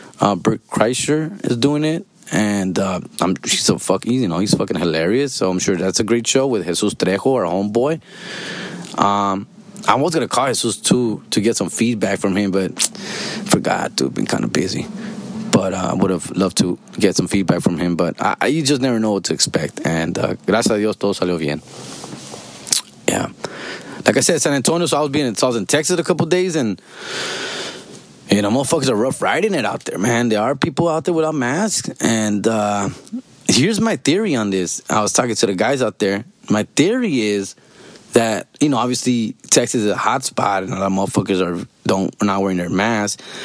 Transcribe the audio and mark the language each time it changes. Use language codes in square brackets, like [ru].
[en] Bert Kreischer is doing it, and he's fucking hilarious. So I'm sure that's a great show with Jesus Trejo, our homeboy. I was going to call Jesus too to get some feedback from him, but forgot, dude, been kind of busy. But I would have loved to get some feedback from him. But you just never know what to expect. [es] And gracias a Dios, todo salió bien. [en] Yeah. Like I said, San Antonio, so I was in Texas a couple days. And, you know, motherfuckers are rough riding it out there, man. There are people out there without masks. And here's my theory on this. I was talking to the guys out there. My theory is that, you know, obviously Texas is a hot spot and a lot of motherfuckers are not wearing their masks.